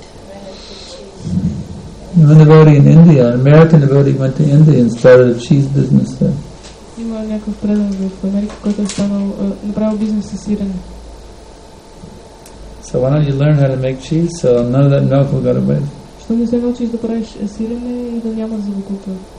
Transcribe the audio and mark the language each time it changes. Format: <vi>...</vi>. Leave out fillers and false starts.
<en>devotee in India who makes that An American devotee went to India and started a cheese business there.</en> <bg>Има някакъв предан в Америка, който направил бизнес със сирене.</bg> <en>So why don't you learn how to make cheese so none of that milk will go to waste?</en> <bg>Що не се научиш да правиш сирене и да няма за закупа?</bg>